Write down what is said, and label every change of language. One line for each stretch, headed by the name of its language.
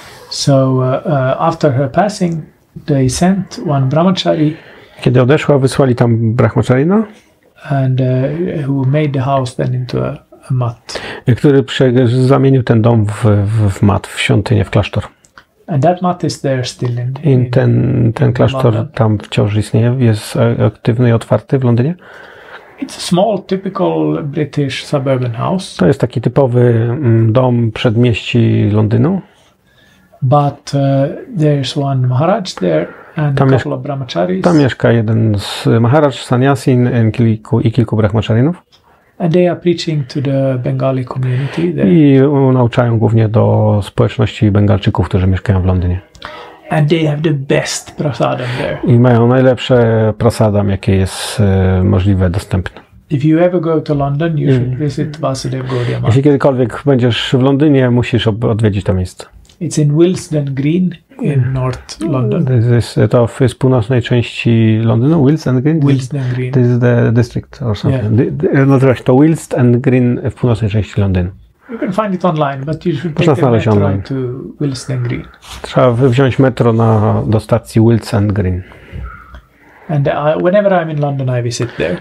English: So after her passing, they sent one brahmachari.
Polish: Kiedy odeszła, wysłali tam brahmacharina.
English: And who made the house then into a mat.
Polish: Który zamienił ten dom w mat, w świątynię, w klasztor.
English: And that mat is there still in the, in
Polish: ten klasztor London. Tam wciąż istnieje, jest aktywny i otwarty w Londynie.
English: It's a small, typical British suburban house.
Polish: To jest taki typowy dom przedmieści Londynu.
English: But there's one Maharaj there and a couple of Brahmacharis.
Polish: Tam mieszka jeden z Maharaj, Sanyasin i kilku Brahmacharinów.
English: And they are preaching to the Bengali community there.
Polish: I nauczają głównie do społeczności Bengalczyków, którzy mieszkają w Londynie.
English: And they have the best prasadam there.
Polish: I mają najlepsze prasadam, jakie jest możliwe, dostępne.
English: If you ever go to London, you should visit Vasudev Gaudiya Mat.
Polish: Jeśli kiedykolwiek będziesz w Londynie, musisz odwiedzić to miejsce.
English: It's in Willesden Green in North London.
Polish: To jest północnej części Londynu.
English: Willesden Green.
Polish: Willesden Green.
English: This is the district or something. Yeah.
Polish: To Willesden Green w północnej części Londynu.
English: You can find it online, but you should take the metro online.
Polish: To Willesden Green. Trzeba wziąć metro do stacji Willesden Green.
English: And whenever I'm in London, I visit there.